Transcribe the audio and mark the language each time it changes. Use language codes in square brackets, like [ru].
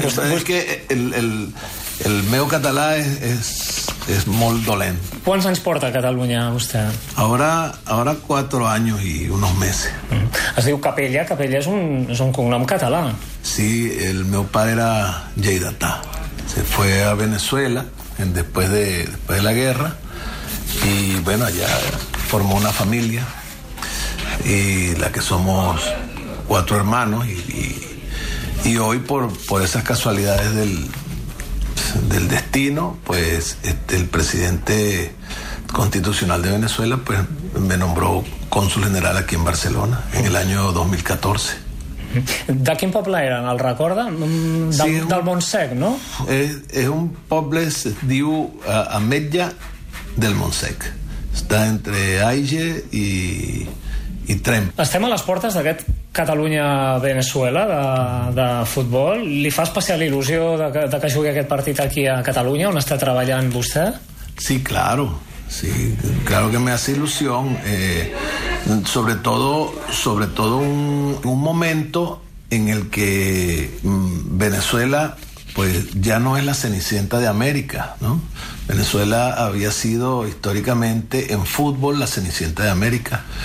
[ca] És que el meu català és molt dolent. Quants anys porta a Catalunya, vostè? Ahora 4 anys i uns mesos. Es diu Capella. Capella és un cognom català. Sí, el meu pare era lleidatà. [es] Se fue a Venezuela después de la guerra y, bueno, allá formó una familia y la que somos 4 hermanos y hoy por esas casualidades del destino, pues el presidente constitucional de Venezuela pues me nombró cónsul general aquí en Barcelona en el año 2014. [ca] ¿De quin poble eren? El recorda? Del Montsec, no? És un poble, es diu Ametlla del Montsec. Està entre Aige i Tremp. Estem a les portes d'aquest Catalunya-Venezuela de futbol. Li fa especial il·lusió de que jugui aquest partit aquí a Catalunya, on està treballant vostè? [es] Sí, claro. Sí, claro que me hace ilusión. Sobre todo un momento en el que Venezuela pues ya no es la cenicienta de América, ¿no? Venezuela había sido históricamente en fútbol la cenicienta de América.